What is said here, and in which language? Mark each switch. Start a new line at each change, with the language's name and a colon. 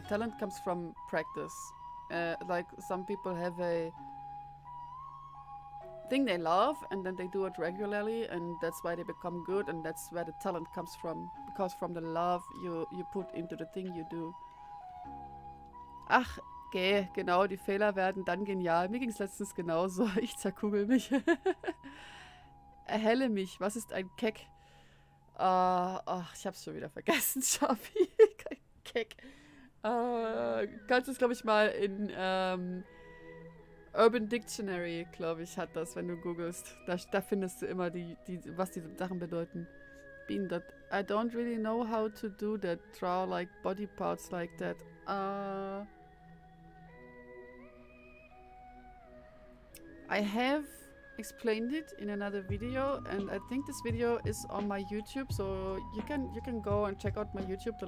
English: Talent comes from practice. Like some people have a thing they love and then they do it regularly and that's why they become good, and that's where the talent comes from, because from the love you put into the thing you do.
German: Ach, okay, genau, die Fehler werden dann genial. Mir ging's letztens genauso. Ich zerkugel mich. Erhelle mich, was ist ein Keck? Ach, ich hab's schon wieder vergessen, Schabi. Kein Keck. Kannst du es, glaube ich, mal in Urban Dictionary, glaube ich, hat das, wenn du googelst. Da findest du immer, was diese Sachen bedeuten.
English: Bean, that I don't really know how to do that. Draw like body parts like that. I have explained it in another video, and I think this video is on my YouTube, so you can go and check out my YouTube.